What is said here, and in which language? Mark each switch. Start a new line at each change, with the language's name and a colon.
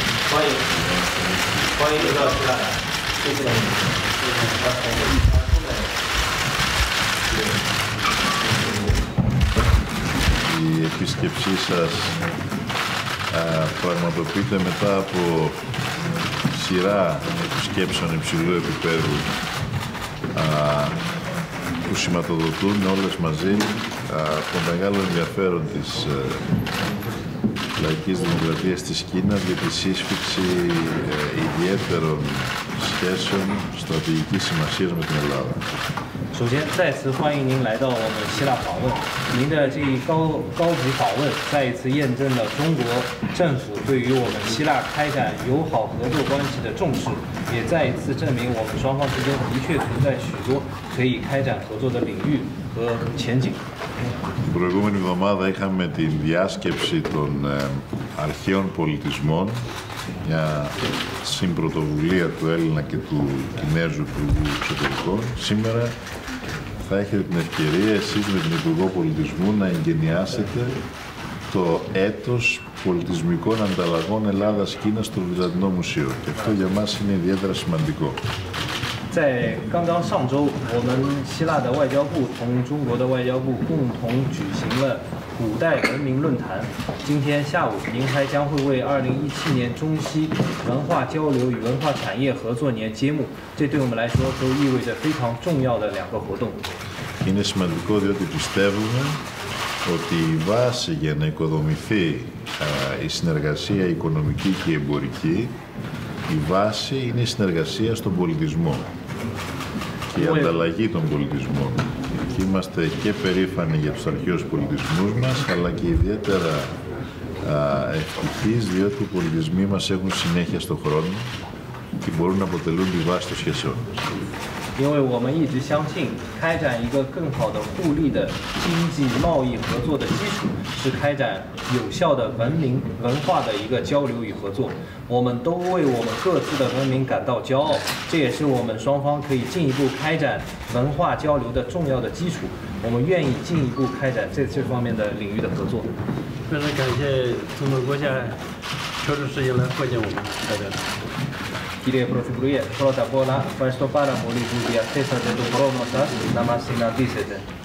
Chinese: 欢迎，欢迎刘教授来，谢谢您，谢谢您，欢迎。
Greek: Η επίσκεψή σας πραγματοποιείται μετά από σειρά επισκέψεων υψηλού επίπεδου που σηματοδοτούν όλες μαζί το μεγάλο ενδιαφέρον της Λαϊκής Δημοκρατίας της Κίνας για τη σύσφιξη ιδιαίτερων σχέσεων στρατηγικής σημασίας με την Ελλάδα.
Chinese: 首先，再次欢迎您来到我们希腊访问。您的这一高级访问，再一次验证了中国政府对于我们希腊开展友好合作关系的重视，也再一次证明我们双方之间的确存在许多可以开展合作的领域和前景。
Greek: Προηγούμενη εβδομάδα είχαμε την διάσκεψη των αρχαίων πολιτισμών, μια συμπρωτοβουλία του Έλληνα και του Κινέζου Υπουργού Εξωτερικών. Σήμερα θα έχετε την ευκαιρία εσείς με τον Υπουργό Πολιτισμού να εγκαινιάσετε το έτος πολιτισμικών ανταλλαγών Ελλάδας-Κίνας στο Βυζαντινό Μουσείο. Και αυτό για μας είναι ιδιαίτερα σημαντικό.
Chinese: 在刚刚上周，我们希腊的外交部同中国的外交部共同举行了古代文明论坛。今天下午，您还将会为2017年中西文化交流与文化产业合作年揭幕，这对我们来说都意味着非常重要的两个活动。
Greek: Είναι σημαντικό διότι πιστεύουμε ότι η βάση για να οικοδομηθεί η συνεργασία οικονομική και εμπορική. Η βάση είναι η συνεργασία στον πολιτισμό και η ανταλλαγή των πολιτισμών. Και είμαστε και περήφανοι για τους αρχαίους πολιτισμούς μας, αλλά και ιδιαίτερα ευτυχείς, διότι οι πολιτισμοί μας έχουν συνέχεια στον χρόνο και μπορούν να αποτελούν τη βάση των σχέσεων μας.
Chinese: 因为我们一直相信，开展一个更好的互利的经济贸易合作的基础，是开展有效的文明文化的一个交流与合作。我们都为我们各自的文明感到骄傲，这也是我们双方可以进一步开展文化交流的重要的基础。我们愿意进一步开展这方面的领域的合作。非常感谢中国国家抽出时间来会见我们，大家。
Greek: Κύριε Πρωθυπουργέ, πρώτα απ' όλα, ευχαριστώ πάρα πολύ που διαθέσατε τον χρόνο σας να μας συναντήσετε.